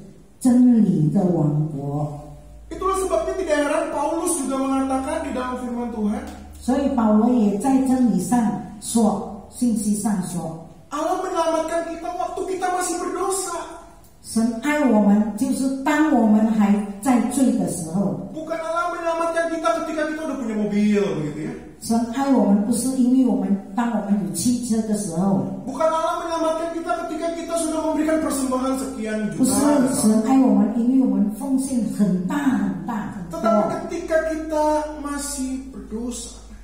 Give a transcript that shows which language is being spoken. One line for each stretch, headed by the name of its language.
Chinese: 他所建立的王国是真理的王国。
Indonesian: Itulah sebabnya tidak heran Paulus juga mengatakan di dalam firman Tuhan.
Chinese: 所以保罗也在真理上说，信息上说，
Indonesian: Allah menyelamatkan kita waktu kita masih berdosa.
Chinese: 神爱我们就是当我们还在罪的时候。
Indonesian: Bukan Allah menyelamatkan kita ketika kita udah punya mobil, gitu ya.
Chinese: 神爱我们不是因为我们当我们有汽车的时候。
Indonesian: Bukan Allah menyelamatkan kita ketika kita sudah memberikan persembahan sekian juta.
Chinese: 不是神爱我们，因为我们奉献很大很大。
Indonesian: Tetapi ketika kita masih berdosa.